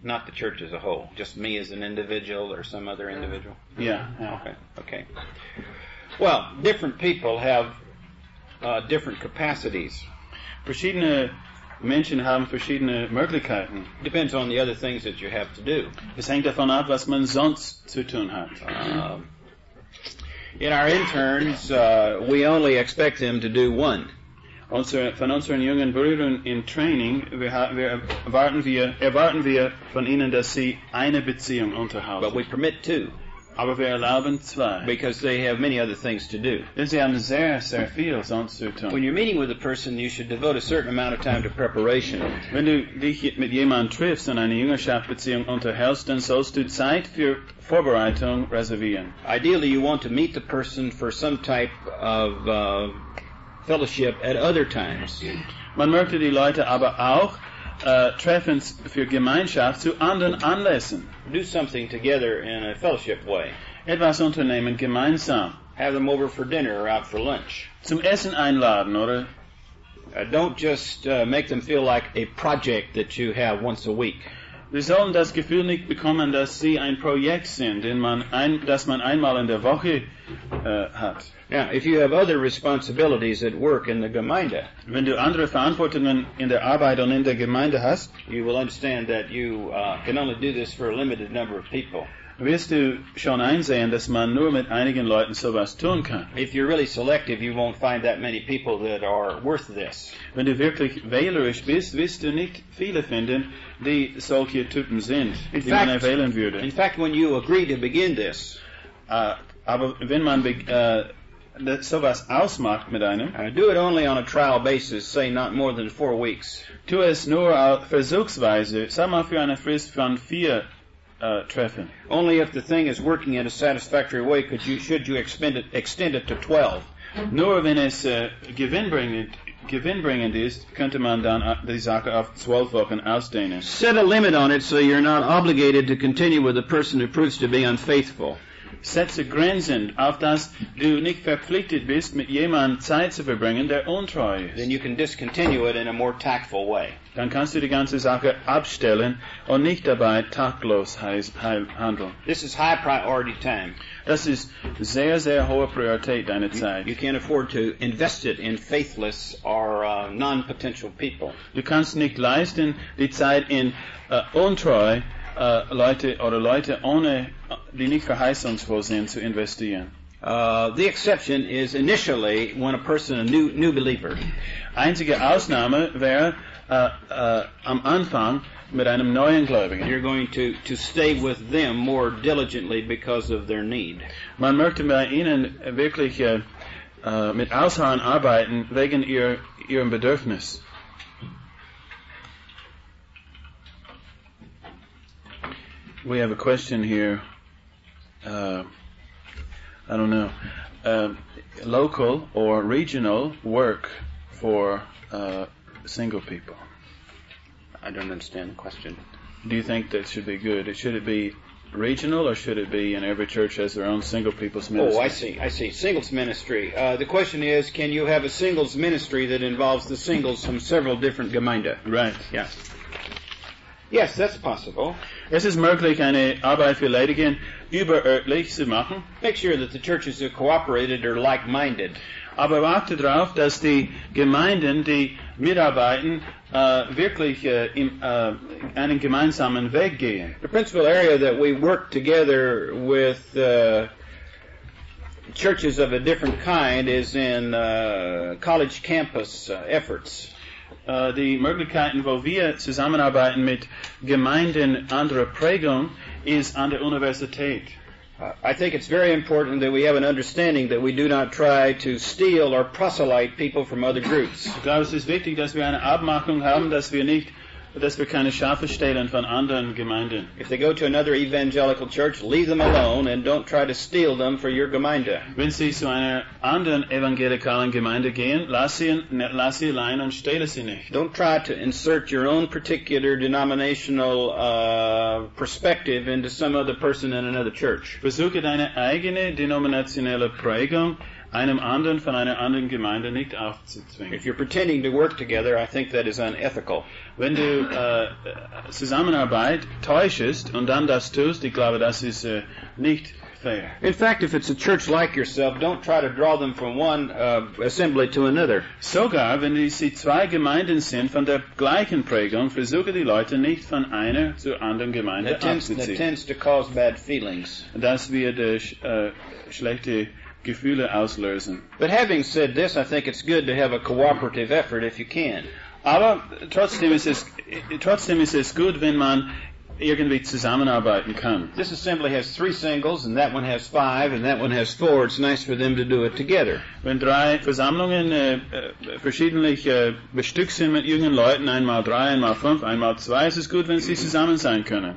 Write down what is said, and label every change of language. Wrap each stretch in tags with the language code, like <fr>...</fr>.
<en>Not the church as a whole. Just me as an individual or some other individual? Yeah. Okay. Well, different people have different capacities.</en> <de>Verschiedene Menschen haben verschiedene Möglichkeiten.</de> <en>Depends on the other things that you have to do.</en> <de>Es hängt davon ab, was man sonst zu tun hat.</de> <en>In our interns, we only expect them to do one.</en> <de>Von unseren jungen Brüdern in Training, erwarten wir von ihnen, dass sie eine Beziehung unterhalten.</de> <en>But we permit two.</en> <de>Aber wir erlauben zwei.</de> <en>Because they have many other things to do.</en> <de>Sie haben sehr, sehr viel sonst zu tun.</de> <en>When you're meeting with a person, you should devote a certain amount of time to preparation.</en> <de>Wenn du dich mit jemandem triffst und eine Jüngerschaftsbeziehung unterhältst, dann sollst du Zeit für Vorbereitung reservieren.</de> <en>Ideally, you want to meet the person for some type of fellowship at other times.</en> <de>Man möchte die Leute aber auch treffen für Gemeinschaft zu anderen Anlässen.</de> <en>Do something together in a fellowship way.</en> <de>Etwas unternehmen gemeinsam.</de> <en>Have them over for dinner or out for lunch.</en> <de>Zum Essen einladen, oder?</de> <en>Don't just make them feel like a project that you have once a week.</en> <de>Wir sollen das Gefühl nicht bekommen, dass sie ein Projekt sind, das man einmal in der Woche hat.</de> <en>Now, if you have other responsibilities at work in the Gemeinde,</en> <de>wenn du andere Verantwortungen in der Arbeit und in der Gemeinde hast,</de> <en>you will understand that you can only do this for a limited number of people.</en> <de>Wirst du schon einsehen, dass man nur mit einigen Leuten sowas tun kann.</de> <en>If you're really selective, you won't find that many people that are worth this.</en> <de>Wenn du wirklich wählerisch bist, wirst du nicht viele finden, die solche Typen sind, die man erwählen würde.</de> <en>In fact, when you agree to begin this,</en> <de>aber wenn man sowas ausmacht mit einem,</de> <en>do it only on a trial basis, say not more than 4 weeks.</en> <de>Tu es nur versuchsweise, sag mal für eine Frist von 4 Wochen. Treffen.</de> <en>Only if the thing is working in a satisfactory way should you extend it to 12.</en> <de>Nur wenn es gewinnbringend ist, könnte man dann die Sache auf 12 Wochen ausdehnen.</de> <en>Set a limit on it so you're not obligated to continue with a person who proves to be unfaithful.</en> <de>Setze Grenzen, auf dass du nicht verpflichtet bist, mit jemandem Zeit zu verbringen, der untreu ist.</de> <en>Then you can discontinue it in a more tactful way.</en> <de>Dann kannst du die ganze Sache abstellen und nicht dabei taktlos handeln.</de> <en>This is high priority time.</en> <de>Das ist sehr, sehr hohe Priorität, deine Zeit.</de> <en>You can't afford to invest it in faithless or non-potential people.</en> <de>Du kannst nicht leisten, die Zeit in untreu Leute oder Leute ohne die nicht verheißungsvoll sind zu investieren.</de> <en>The exception is initially when a person a new believer.</en> <de>Einzige Ausnahme wäre am Anfang mit einem neuen Gläubigen.</de> <en>You're going to stay with them more diligently because of their need.</en> <de>Man möchte bei ihnen wirklich mit Ausharren arbeiten wegen ihrem Bedürfnis.</de> <en>We have a question here. I don't know. Local or regional work for single people. I don't understand the question. Do you think that should be good? Should it be regional, or should it be in every church has their own single people's ministry? Oh, I see. Singles ministry. The question is, can you have a singles ministry that involves the singles from several different Gemeinde? Right. Yeah. Yes, that's possible.</en> <de>Es ist möglich, eine Arbeit für Leidigen überörtlich zu machen.</de> <en>Make sure that the churches that cooperated are like-minded.</en> <de>Aber achte darauf, dass die Gemeinden, die mitarbeiten, wirklich einen gemeinsamen Weg gehen.</de> <en>The principal area that we work together with churches of a different kind is in college campus efforts.</en> <de>Die Möglichkeiten, wo wir zusammenarbeiten mit Gemeinden anderer Prägung, ist an der Universität.</de> <en>I think it's very important that we have an understanding that we do not try to steal or proselyte people from other groups.</en> <de>Ich glaube, es ist wichtig, dass wir eine Abmachung haben, dass wir keine Schafe stehlen von anderen Gemeinden.</de> <en>If they go to another evangelical church, leave them alone and don't try to steal them for your Gemeinde.</en> <de>Wenn sie zu einer anderen evangelikalen Gemeinde gehen, lass sie allein und stehle sie nicht.</de> <en>Don't try to insert your own particular denominational perspective into some other person in another church.</en> <de>Versuche deine eigene denominationelle Prägung einem anderen von einer anderen Gemeinde nicht aufzuzwingen.</de> <en>If you're pretending to work together, I think that is unethical.</en> <de>Wenn du Zusammenarbeit täuschst und dann das tust, ich glaube, das ist nicht fair.</de> <en>In fact, if it's a church like yourself, don't try to draw them from one assembly to another.</en> <de>Sogar, wenn du sie zwei Gemeinden sind von der gleichen Prägung, versuche die Leute nicht von einer zur anderen Gemeinde aufzuziehen.</de> <en>That tends to cause bad feelings.</en> <de>Das wird schlechte Gefühle auslösen.</de> <en>But having said this, I think it's good to have a cooperative effort if you can.</en> <de>Aber trotzdem ist es gut, wenn man irgendwie zusammenarbeiten kann.</de> <en>This assembly has three singles, and that one has five, and that one has four. It's nice for them to do it together.</en> <de>Wenn drei Versammlungen verschiedentlich bestückt sind mit jungen Leuten, einmal drei, einmal fünf, einmal zwei, ist es gut, wenn sie zusammen sein können.</de>